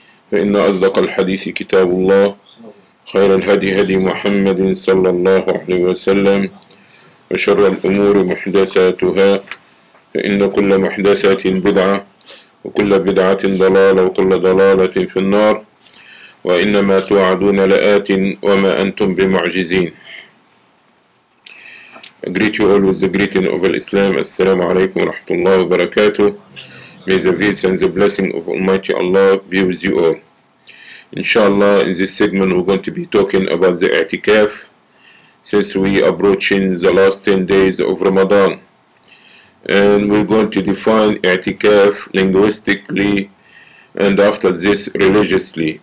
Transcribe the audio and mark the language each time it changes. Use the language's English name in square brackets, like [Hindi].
[Arabic] فإن أصدق الحديث كتاب الله خير الهدي هدي محمد صلى الله عليه وسلم وشر الأمور محدثاتها فإن كل محدثة بدعة وكل بدعة ضلالة وكل ضلالة في النار وإنما توعدون لآت وما أنتم بمعجزين. [English] I greet you all with the greeting of Islam. [Arabic] السلام عليكم ورحمة الله وبركاته. [English] May the peace and the blessing of Almighty Allah be with you all. Inshallah, in this segment, we're going to be talking about the i'tikaf since we are approaching the last 10 days of Ramadan. And we're going to define i'tikaf linguistically and after this religiously.